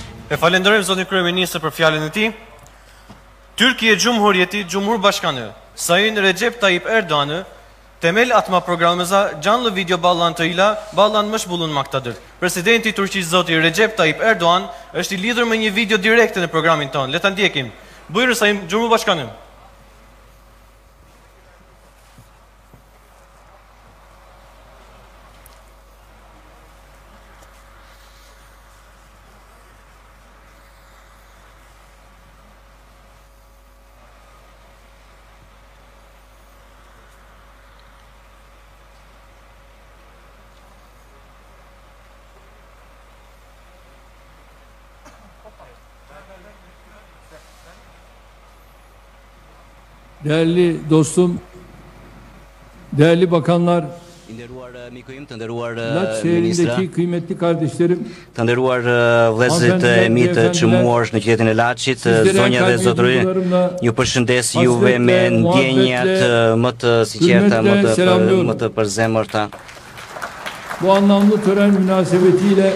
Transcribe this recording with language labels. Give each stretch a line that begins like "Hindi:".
Albanian: E falenderoj zotin kryeministër për fjalën e tij.
Turkish: Türkiye Cumhuriyeti Cumhurbaşkanı Sayın Recep Tayyip Erdoğan'ı temel atma programımıza canlı video bağlantıyla bağlanmış bulunmaktadır.
Albanian: Presidenti Türkiye Zoti Recep Tayyip Erdoğan është i lidhur me një video direkte në programin tonë. Le ta ndjekim.
Turkish: Buyurun Sayın Cumhurbaşkanım. Değerli dostum, değerli bakanlar, Laç şehrindeki kıymetli kardeşlerim,
Albanian: të nderuar vëllezërit e mi të çmuar në qytetin e Laçit, zonja dhe zotëri, ju përshëndes juve me ndjenjat më të sinqerta, më të përzemërta.
Turkish: Bu anlamlı tören münasebetiyle,